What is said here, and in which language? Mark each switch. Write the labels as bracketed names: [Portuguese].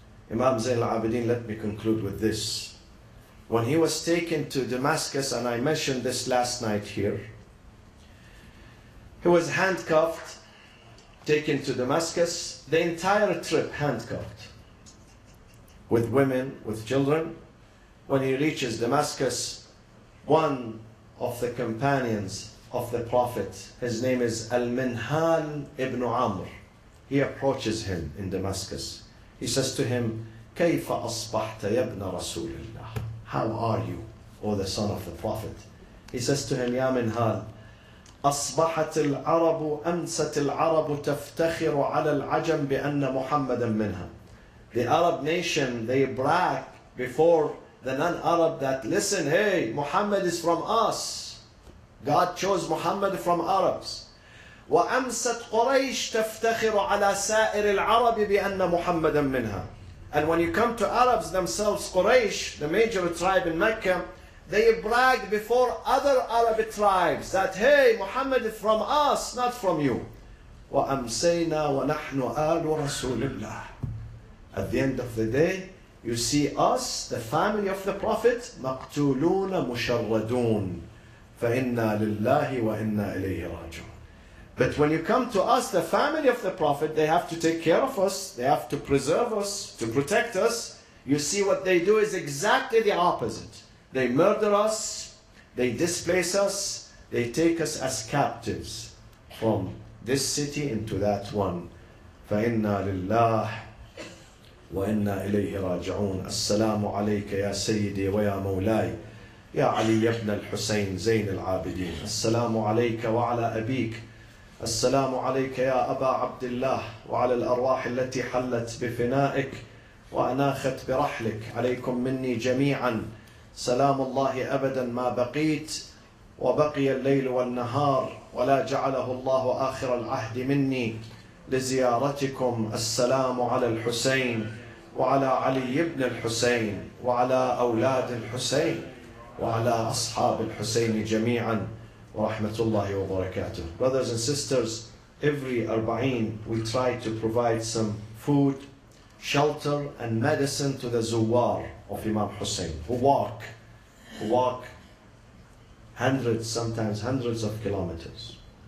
[English] Imam Zain al-Abidin, let me conclude with this. When he was taken to Damascus, and I mentioned this last night here, he was handcuffed, taken to Damascus, the entire trip handcuffed, with women, with children. When he reaches Damascus, one of the companions of the Prophet, his name is Al-Minhal ibn Amr, he approaches him in Damascus. He says to him, [Arabic] كيف أصبحت يا ابن رسول الله? [English] How are you, O the son of the Prophet? He says to him, [Arabic] يا منهال, أصبحت العرب أمست العرب تفتخر على العجم بأن محمدا منها. [English] The Arab nation, they brag before the non-Arab that, listen, hey, Muhammad is from us. God chose Muhammad from Arabs. [Arabic] وَأَمْسَتْ قُرَيْشْ تَفْتَخِرُ عَلَى سَائِرِ الْعَرَبِ بِأَنَّ مُحَمَّدًا مِنْهَا. [English] And when you come to Arabs themselves, Quraysh, the major tribe in Mecca, they brag before other Arab tribes that, hey, Muhammad is from us, not from you. [Arabic] وَأَمْسَيْنَا وَنَحْنُ آلُ رَسُولِ اللَّهِ. [English] At the end of the day, you see us, the family of the Prophet, [Arabic] مَقْتُولُونَ مُشَرَّدُونَ فَإِنَّا لِلَّهِ وَإِنَّا إِلَيْهِ رَاجُونَ. [English] But when you come to us, the family of the Prophet, they have to take care of us, they have to preserve us, to protect us. You see what they do is exactly the opposite. They murder us, they displace us, they take us as captives from this city into that one. [Arabic] فَإِنَّا لِلَّهِ وَإِنَّا إِلَيْهِ رَاجِعُونَ السَّلَامُ عَلَيْكَ يَا سَيِّدِي وَيَا مَوْلَايِ يَا عَلِيَّ ابْنَ الْحُسَيْنِ زَيْنِ الْعَابِدِينَ السَّلَامُ عَلَيْكَ وَعَلَى أَبِيكَ السلام عليك يا أبا عبد الله وعلى الأرواح التي حلت بفنائك وأناخت برحلك عليكم مني جميعا سلام الله أبدا ما بقيت وبقي الليل والنهار ولا جعله الله آخر العهد مني لزيارتكم السلام على الحسين وعلى علي بن الحسين وعلى أولاد الحسين وعلى أصحاب الحسين جميعا rahmatullahi wa barakatuh. [English] Brothers and sisters, every Arba'een we try to provide some food, shelter and medicine to the zuwar of Imam Hussein, who walk hundreds, sometimes hundreds of kilometers.